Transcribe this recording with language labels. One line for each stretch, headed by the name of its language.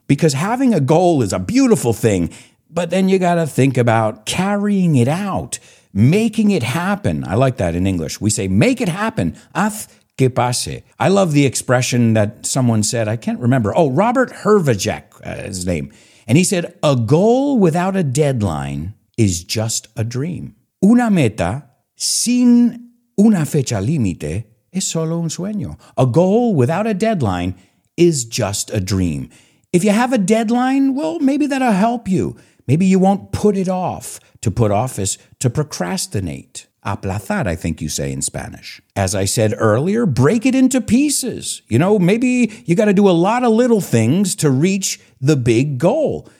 English: Because having a goal is a beautiful thing, but then you got to think about carrying it out, making it happen. I like that in English. We say, make it happen.
Spanish: Que pase.
English: I love the expression that someone said, I can't remember. Oh, Robert Hervajek, his name. And he said, a goal without a deadline is just a dream.
Spanish: Una meta sin una fecha límite es solo un sueño.
English: A goal without a deadline is just a dream. If you have a deadline, well, maybe that'll help you. Maybe you won't put it off. To put off is to procrastinate.
Spanish: Aplazar,
English: I think you say in Spanish. As I said earlier, break it into pieces. You know, maybe you got to do a lot of little things to reach the big goal.